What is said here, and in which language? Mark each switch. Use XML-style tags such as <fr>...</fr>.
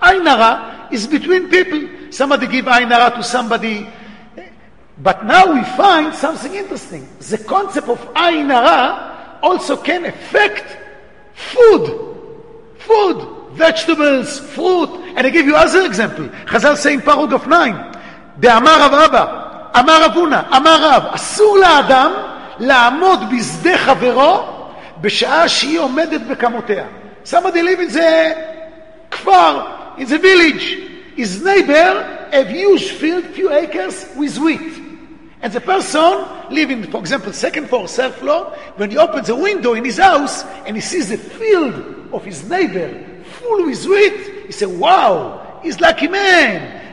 <en>Ayin Hara is between people. Somebody give Ayin Hara to somebody. But now we find something interesting. The concept of Ayin Hara also can affect food. Food, vegetables, fruit. And I give you another example. Chazal saying paragraph 9. The Amar of Abba.</en> <he>אמר אבונה, אמר רב, אסור לאדם לעמוד בשדה חברו בשעה שהיא עומדת בכמותיה.</he> <en>Somebody live in the כפר, in the village. His neighbor have huge field, few acres with wheat. And the person living, for example, second floor, third floor, when he opens the window in his house and he sees the field of his neighbor full with wheat, he says, wow, he's lucky man.</en>